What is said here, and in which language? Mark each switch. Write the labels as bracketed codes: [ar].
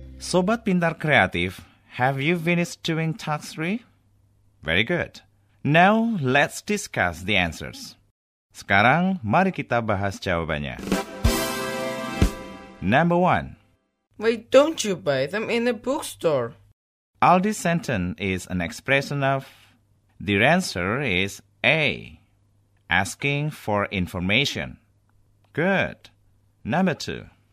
[en] Sobat Pintar Kreatif, have you finished doing task 3? Very good. Now, let's discuss the answers. [id] Sekarang, mari kita bahas jawabannya. [en] Number 1. Why don't you buy them in a bookstore? Aldi's sentence is an expression of... The answer is A. Asking for information. Good. Number 2.